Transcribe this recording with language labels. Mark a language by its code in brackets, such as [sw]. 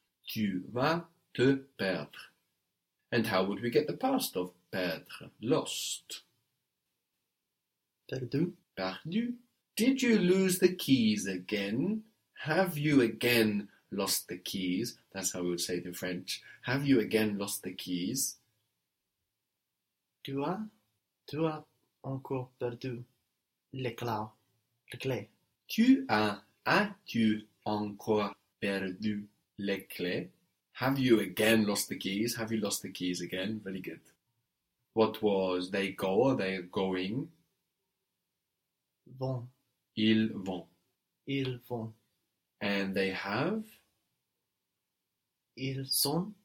[fr] Tu vas te perdre. [en] And how would we get the past of perdre? Lost. [fr] Perdu. Perdu. [en] Did you lose the keys again? Have you again lost the keys? That's how we would say it in French. Have you again lost the keys? [fr] Tu as encore perdu les clés. Les clés. As-tu encore perdu les clés? [en] Have you again lost the keys? Have you lost the keys again? Very good. What was they go or they going? [fr] Vont. Ils vont. Ils vont. [en] And they have? [fr] Ils ont.